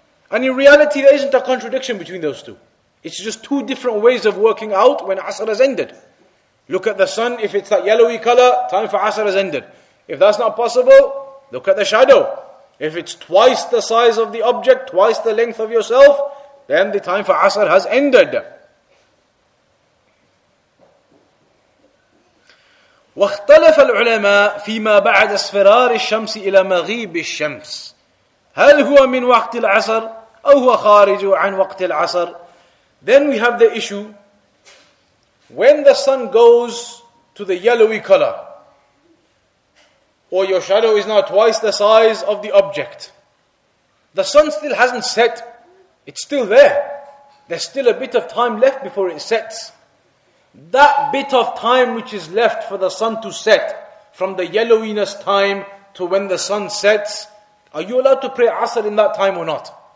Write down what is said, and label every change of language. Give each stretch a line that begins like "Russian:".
English: And in reality, there isn't a contradiction between those two. It's just two different ways of working out when Asr has ended. Look at the sun, if it's that yellowy color, time for Asr has ended. If that's not possible, look at the shadow. If it's twice the size of the object, twice the length of yourself, then the time for Asr has ended.
Arabic: واختلف العلماء فيما بعد اصفرار الشمس إلى مغيب الشمس. هل هو من وقت العصر أو هو خارج عن وقت العصر؟
English: Then we have the issue. When the sun goes to the yellowy color, or your shadow is now twice the size of the object, the sun still hasn't set. It's still there. There's still a bit of time left before it sets. That bit of time which is left for the sun to set, from the yellowiness time to when the sun sets, are you allowed to pray Asr in that time or not?